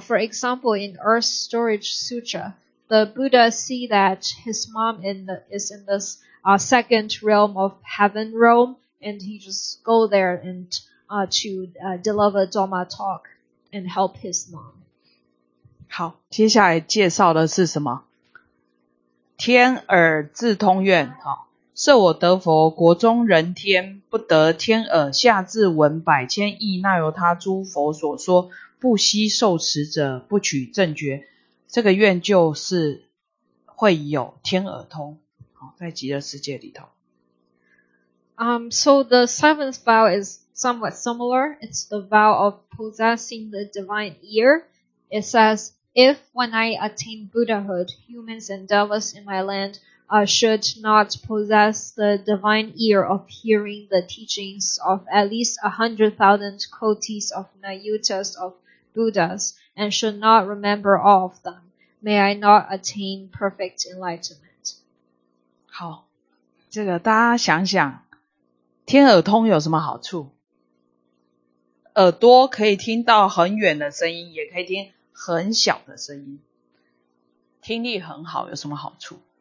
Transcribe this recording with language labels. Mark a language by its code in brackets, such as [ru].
[en] For example, in Earth Storage Sutra, the Buddha see that his mom is in this second realm of heaven realm, and he just go there and to deliver Dhamma talk and help his mom. [zh] 好，接下来介绍的是什么？天耳自通愿，设我得佛国中人天，不得天耳下至闻百千亿那由他诸佛所说不惜受持者，不取正觉。这个愿就是会有天耳通，在极乐世界里头。 [en] So the seventh vow is somewhat similar. It's the vow of possessing the divine ear. It says, if when I attain Buddhahood, humans and devas in my land should not possess the divine ear of hearing the teachings of at least 100,000 kotis of Nayutas of Buddhas, and should not remember all of them, may I not attain perfect enlightenment. [zh] 好，这个大家想想，天耳通有什么好处？耳朵可以听到很远的声音，也可以听很小的声音，听力很好，有什么好处？